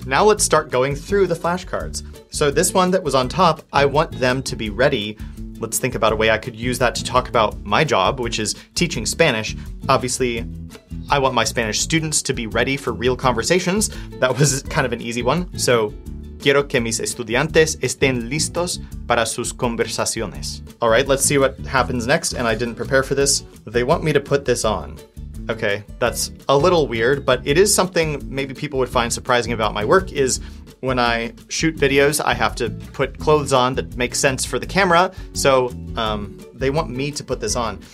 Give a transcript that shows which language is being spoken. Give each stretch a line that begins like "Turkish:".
English: Now let's start going through the flashcards. So this one that was on top, I want them to be ready. Let's think about a way I could use that to talk about my job, which is teaching Spanish. Obviously, I want my Spanish students to be ready for real conversations. That was kind of an easy one.
Spanish: So quiero que mis estudiantes estén listos para sus conversaciones.
English: All right, let's see what happens next, and I didn't prepare for this. They want me to put this on. Okay, that's a little weird, but it is something maybe people would find surprising about my work is when I shoot videos, I have to put clothes on that make sense for the camera, so they want me to put this on.